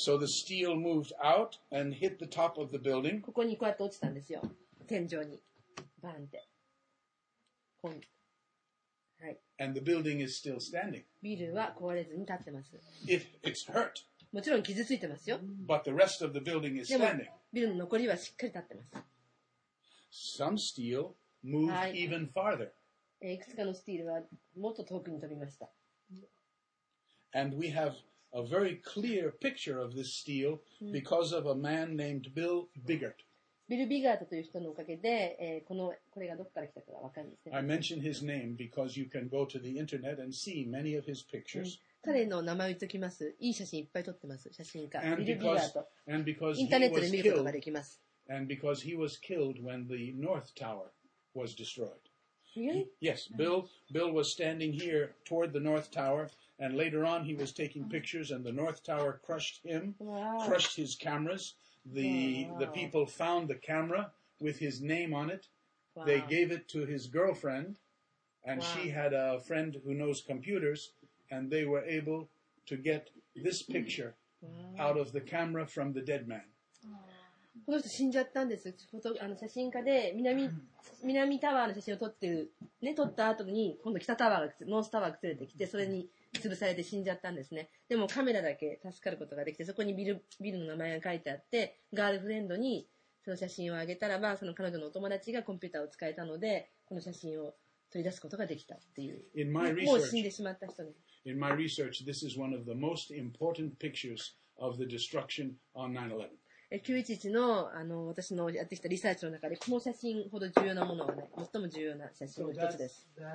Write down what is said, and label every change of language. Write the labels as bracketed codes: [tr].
[en] So the steel moved out and hit the top of the building. [ja] ここにこうやって落ちたんですよ。天井に。バーンって。本。はい。 [en] And the building is still standing. [ja] ビルは壊れずに立ってます。 [en] If it's hurt. [ja] もちろん傷ついてますよ。 [en] But the rest of the building is standing. [ja] ビルの残りはしっかり立ってます。 [en] Some steel moved even farther. [ja] いくつかのスティールはもっと遠くに飛びました。 [en] And we have a very clear picture of this steel because of a man named Bill Biggert. [ja] ビル・ビガートという人のおかげで、これがどこから来たかわかるんですね。 [en] I mention his name because you can go to the internet and see many of his pictures. [ja] 彼の名前を言っておきます。いい写真いっぱい撮ってます。写真家、ビル・ビガート。 [en] And because [ja] インターネットで見ることができます。 [en] And because he was killed when the North Tower was destroyed. Yes, Bill was standing here toward the North Tower. And later on, he was taking pictures, and the North Tower crushed him, crushed his cameras. The people found the camera with his name on it. They gave it to his girlfriend, and she had a friend who knows computers, and they were able to get this picture out of the camera from the dead man. [ja] この人死んじゃったんです。写真家で南タワーの写真を撮ってる、ね、撮った後に今度北タワーがノースタワーが崩れてきて、それに潰されて死んじゃったんですね。でもカメラだけ助かることができて、そこにビルの名前が書いてあって、ガールフレンドにその写真をあげたらば、その彼女のお友達がコンピューターを使えたので、この写真を取り出すことができたっていう。もう死んでしまった人です。 [en] In my research, this is one of the most important pictures of the destruction on [ja] 9/11. 9/11 の、 私のやってきたリサーチの中で、この写真ほど重要なものはない。最も重要な写真の一つです。